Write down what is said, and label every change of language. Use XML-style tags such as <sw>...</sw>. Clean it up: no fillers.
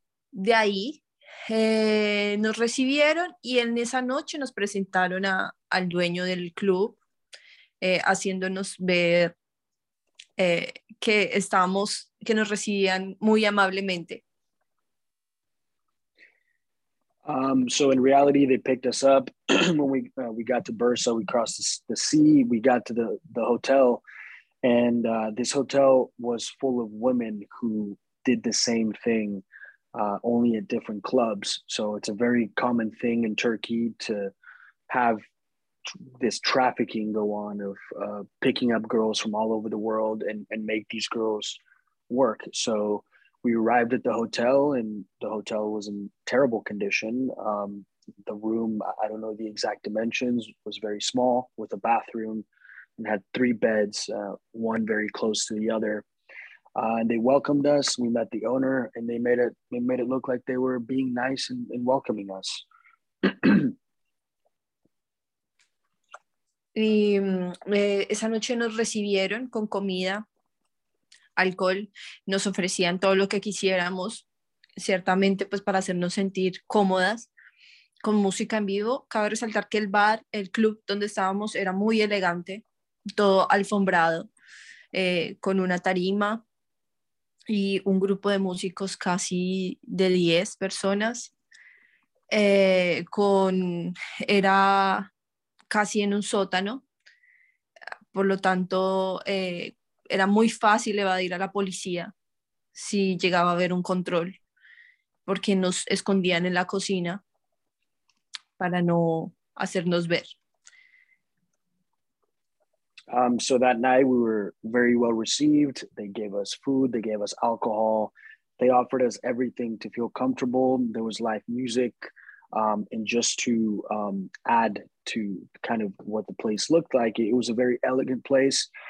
<es>De ahí nos recibieron y en esa noche nos presentaron al dueño del club, haciéndonos ver que estábamos, que nos recibían muy amablemente.</es> <en>So in reality, they picked us up when we got to Bursa. We crossed the sea. We got to the hotel, and this hotel was full of women who did the same thing. Only at different clubs. So it's a very common thing in Turkey to have this trafficking go on of picking up girls from all over the world and make these girls work. So we arrived at the hotel and the hotel was in terrible condition. The room, I don't know the exact dimensions, was very small with a bathroom and had 3 beds, one very close to the other. And they welcomed us. We met the owner, and they made it look like they were being nice and welcoming us.</en> <es>Y esa noche nos recibieron con comida, alcohol, nos ofrecían todo lo que quisiéramos, ciertamente pues para hacernos sentir cómodas, con música en vivo. Cabe resaltar que el bar, el club donde estábamos era muy elegante, todo alfombrado, con una tarima. Y un grupo de músicos casi de 10 personas, era casi en un sótano, por lo tanto era muy fácil evadir a la policía, si llegaba a haber un control, porque nos escondían en la cocina para no hacernos ver.</es> <en>So that night we were very well received. They gave us food, they gave us alcohol, they offered us everything to feel comfortable. There was live music, and just to add to kind of what the place looked like, it was a very elegant place.</en>